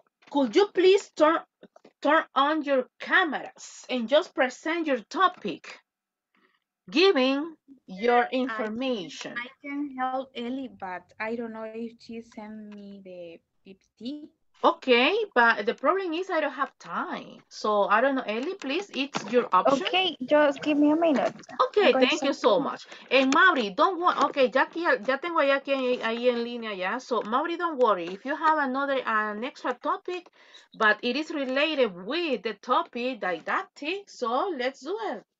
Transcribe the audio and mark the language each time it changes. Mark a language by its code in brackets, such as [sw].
[en] Could you please turn on your cameras and just present your topic, giving your information? I can help Eli, but I don't know if she sent me the PPT. Okay, but the problem is I don't have time. So I don't know, Ellie, please, it's your option. Okay, just give me a minute. Okay, thank you so much. And Mauri, don't worry. [es] Okay, Jackie, ya tengo a Jackie ahí en línea ya. [en] So Mauri, don't worry. If you have another, an extra topic, but it is related with the topic didactic, so let's do it.